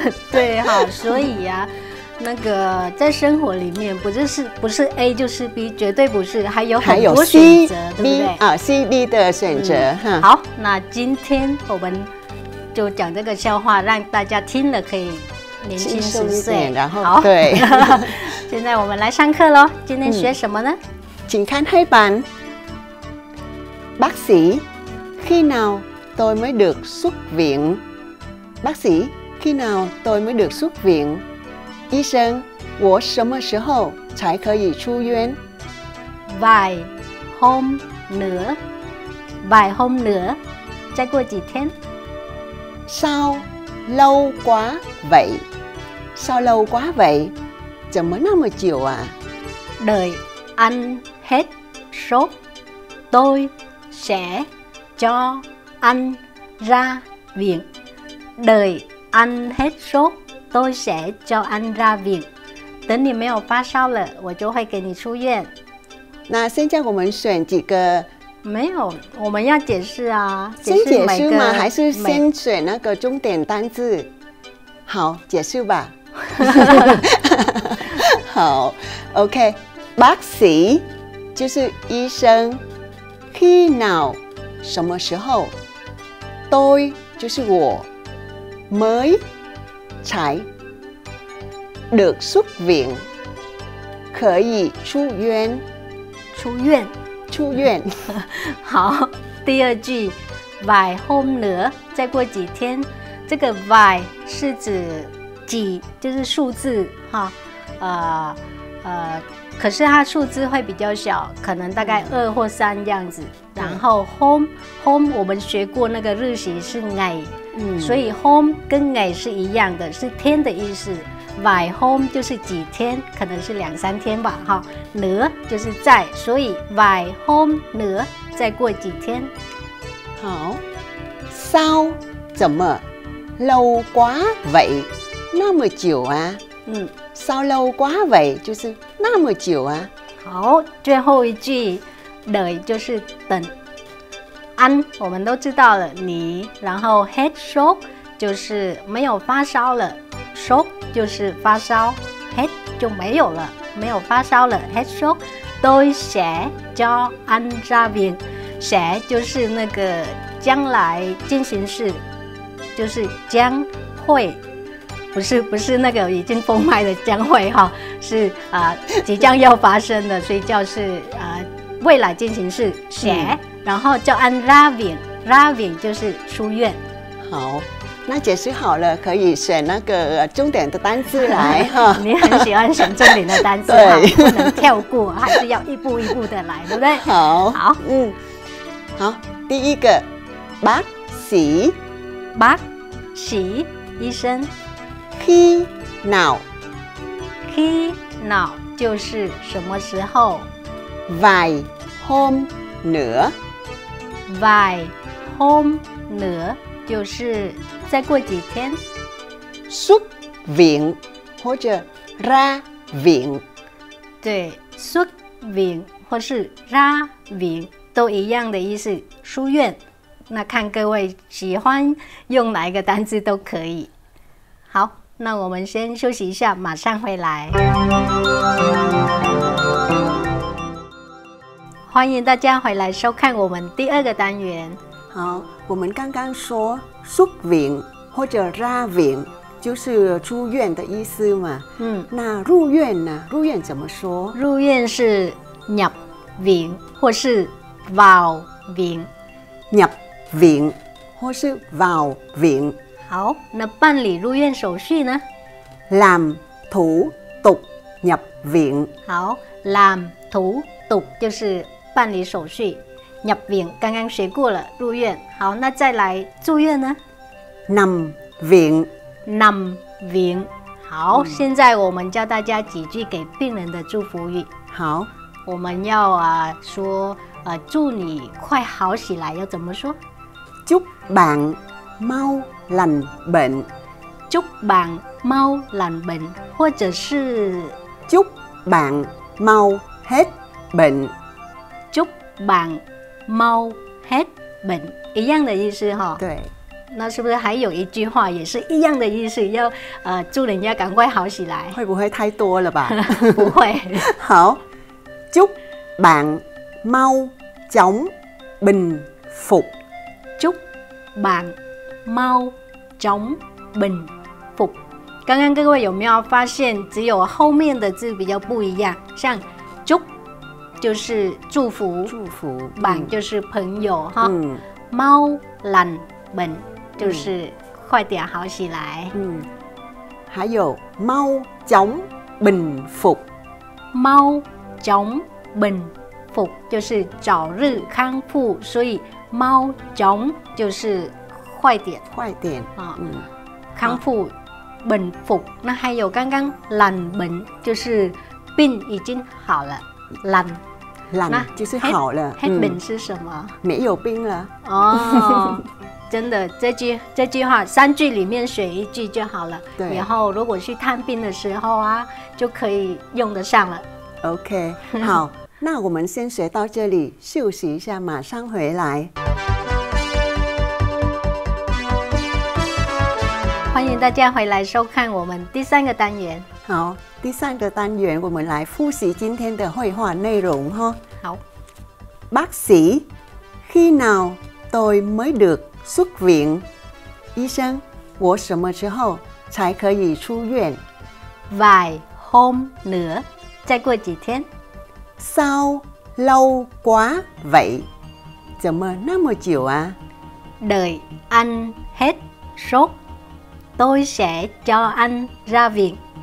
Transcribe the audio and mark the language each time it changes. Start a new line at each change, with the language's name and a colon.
Chinese: 对哈，所以呀、那个在生活里面不是 A 就是 B， 绝对不是，还有很多选择，对不对？ C B 的选择。好，那今天我们就讲这个笑话，让大家听了可以年轻十岁。然后好，对。现在我们来上课喽，今天学什么呢？请看黑板。
Vietnamese: Bác sĩ, khi nào tôi mới được xuất viện? Bác sĩ, khi nào tôi mới được xuất viện?
Chinese: 医生，我什么时候才可以出院？
Vietnamese: Vài hôm nữa. Vài hôm nữa.
Chinese: 再过几天。
Vietnamese: Sao lâu quá vậy? Sao lâu quá vậy?
Chinese: 怎么那么久啊？
Vietnamese: Đợi anh hết sốt, tôi sẽ cho anh ra viện. Đợi anh hết sốt, tôi sẽ cho anh ra viện.
Chinese: 等你没有发烧了，我就会给你出院。那现在我们选几个？没有，我们要解释啊。先解释吗？还是先选那个重点单字？好，解释吧。好 ，OK。Bác sĩ 就是医生。
Vietnamese: Khi nào
Chinese: 什么时候 ？Tôi 就是我。
Vietnamese: Mới
Chinese: 才
Vietnamese: được xuất viện
Chinese: 可以出院。出院。出院。好，第二句
Vietnamese: vài hôm nữa，
Chinese: 再过几天。这个 vài 是指几，就是数字哈，可是它数字会比较小，可能大概二或三这样子。然后 home 我们学过那个日语是 ngày， 所以 home 跟 ngày 是一样的，是天的意思。 vài hôm 就是几天，可能是两三天吧，哈。 nữa 就是在，所以
Vietnamese: vài hôm nữa
Chinese: 再过几天。好，sao 怎么
Vietnamese: lâu quá vậy
Chinese: 那么久啊？
Vietnamese: sao lâu quá vậy
Chinese: 就是那么久啊。好，最后一句 đợi 就是等。安我们都知道了，你。然后
Vietnamese: hết sốt
Chinese: 就是没有发烧了， sốt就是发烧， hết 就没有了，没有发烧了， hết sốt。
Vietnamese: Tôi sẽ cho anh ra viện，
Chinese: sẽ 就是那个将来进行式，就是将会，不是那个已经封麦的将会，是即将要发生的，所以叫是未来进行式，sẽ。然后叫
Vietnamese: anh ra viện，
Chinese: ra viện 就是出院。好，那解释好了，可以选那个重点的单字来。你很喜欢选重点的单字，对，不能跳过，还是要一步一步的来，对不对？好，好，好，第一个，bác sĩ， bác sĩ 医生。
Vietnamese: khi nào，
Chinese: khi nào 就是什么时候。
Vietnamese: vài hôm nữa， vài hôm nữa
Chinese: 就是再过几天。
Vietnamese: xuất viện
Chinese: 或者
Vietnamese: ra viện。
Chinese: 对 ，xuất viện 或是 ra viện 都一样的意思，出院。那看各位喜欢用哪一个单字都可以。好，那我们先休息一下，马上回来。欢迎大家回来收看我们第二个单元。好，我们刚刚说 xuất viện 或者 ra viện 就是出院的意思嘛。嗯，那入院呢？入院怎么说？入院是nhập viện 或是 vào viện。
Vietnamese: nhập viện 或是 vào viện。
Chinese: 好，那办理入院手续呢？
Vietnamese: làm thủ tục nhập viện。
Chinese: 好，
Vietnamese: làm thủ tục
Chinese: 就是办理手续。 nhập viện 刚刚学过了，入院。好，那再来住院呢？
Vietnamese: nằm viện。 nằm viện。
Chinese: 好，现在我们教大家几句给病人的祝福语。好，我们要说祝你快好起来，要怎么说？
Vietnamese: chúc bạn mau lành bệnh。 chúc bạn mau lành bệnh
Chinese: 或者是
Vietnamese: chúc bạn mau hết bệnh。 chúc bạn mau hết bệnh
Chinese: 一样的意思哈。对，那是不是还有一句话也是一样的意思，要祝人家赶快好起来？会不会太多了吧？不会。
Vietnamese: 好，chúc bạn mau chóng bình phục。 chúc bạn mau chóng bình phục。
Chinese: 刚刚各位有没有发现只有后面的字比较不一样，像chúc就是祝福，祝福 bạn就是朋友哈。嗯，
Vietnamese: mau lành bệnh
Chinese: 就是快点好起来。嗯，还有
Vietnamese: mau chóng bình phục。 mau chóng bình phục
Chinese: 就是早日康复，所以mau chóng 就是快点，快点啊。康复，bình phục。那还有刚刚
Vietnamese: lành bệnh
Chinese: 就是病已经好了。冷，冷就是好了。
Vietnamese: hết bệnh
Chinese: 是什么？没有病了。哦，真的，这句话三句里面选一句就好了。对，以后如果去探病的时候啊，就可以用得上了。 OK， 好，那我们先学到这里，休息一下，马上回来。欢迎大家回来收看我们第三个单元。好，第三个单元我们来复习今天的会话内容哈。好。
Vietnamese: Bác sĩ, khi nào tôi mới được xuất viện?
Chinese: 医生，我什么时候才可以出院？
Vietnamese: Vài hôm nữa,
Chinese: 再过几天。
Vietnamese: Sao lâu quá vậy?
Chinese: 怎么那么久啊？
Vietnamese: Đợi anh hết sốt, tôi sẽ cho anh ra viện.